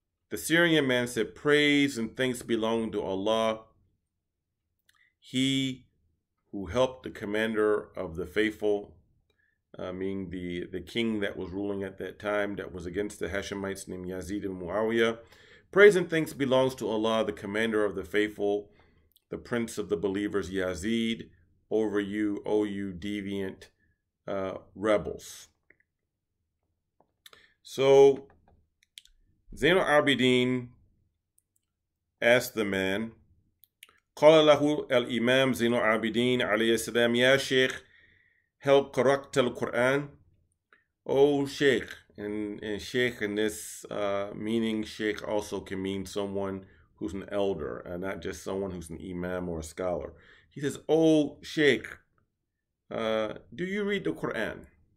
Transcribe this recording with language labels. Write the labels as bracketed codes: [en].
[en] The Syrian man said, praise and thanks belong to Allah, he who helped the commander of the faithful, meaning the king that was ruling at that time that was against the Hashemites, named Yazid and Muawiyah. Praise and thanks belongs to Allah, the commander of the faithful, the prince of the believers, Yazid, over you, O you deviant rebels. So Zainal Abidin asked the man, [ar] قَالَ لَهُ الْإِمَامُ زَيْنُ الْعَابِدِينَ عَلَيْهِ السَّلَامُ يَا شَيْخ هَلْ قَرَأْتَ الْقُرْآنَ. [en] O Sheikh, and Sheikh in this meaning, Sheikh also can mean someone who's an elder, and not just someone who's an imam or a scholar. He says, O Sheikh, do you read the Qur'an?